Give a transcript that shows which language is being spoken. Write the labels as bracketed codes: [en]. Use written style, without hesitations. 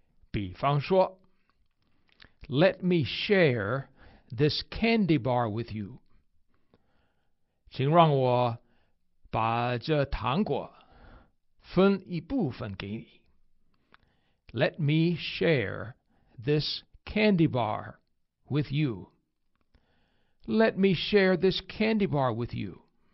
[zh] 比方说 [en] ,Let me share this candy bar with you. [zh] 请让我把这糖果分一部分给你。 [en] Let me share this candy bar with you. Let me share this candy bar with you.